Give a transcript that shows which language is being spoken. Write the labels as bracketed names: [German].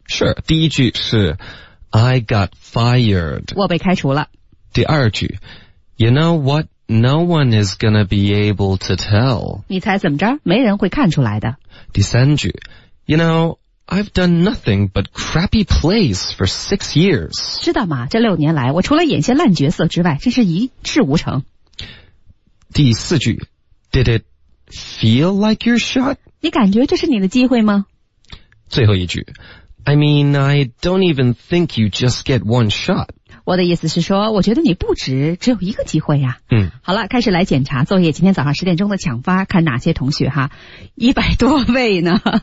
[English] Okay. [Chinese] 是，第一句是 [English] I got fired. [Chinese] 我被开除了。第二句 [English] You know what? No one is gonna be able to tell. [Chinese] 你猜怎么着？没人会看出来的。第三句 [English] You know, I've done nothing but crappy plays for 6 years. [Chinese] 知道吗？这六年来，我除了演些烂角色之外，真是一事无成。第四句 [English] Did it feel like your shot? [Chinese] 你感觉这是你的机会吗？最后一句 [English] I mean, I don't even think you just get one shot. [Chinese] 我的意思是说我觉得你不值只有一个机会呀、啊。嗯，好了，开始来检查作业，今天早上十点钟的抢发，看哪些同学哈，100多位呢。